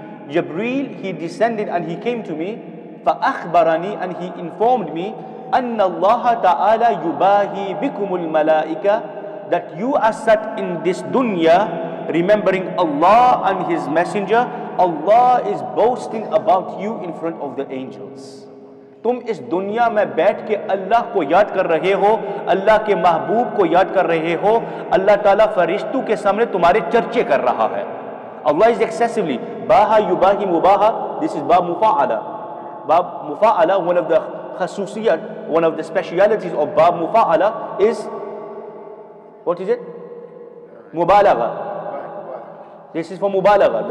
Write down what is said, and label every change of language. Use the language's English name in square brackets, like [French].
[English] Jibreel, he descended and he came to me, [Arabic] فَأَخْبَرَنِي, [English] and he informed me, [Arabic] أَنَّ اللَّهَ تَعَالَى يُبَاهِي بِكُمُ الْمَلَائِكَ, [English] that you are sat in this dunya remembering Allah and His Messenger. Allah is boasting about you in front of the angels. [Urdu] تم اس دنیا میں بیٹھ کے اللہ کو یاد کر رہے ہو, اللہ کے محبوب کو یاد کر رہے ہو, اللہ تعالیٰ فرشتوں کے سامنے تمہارے چرچے کر رہا ہے. [English] Allah is excessively baha yubahi mubaha. This is bab mufa'ala. Bab mufa'ala, one of the khasusiyat, one of the specialities of bab mufa'ala is, what is it? Mubalagha. This is for mubalagha.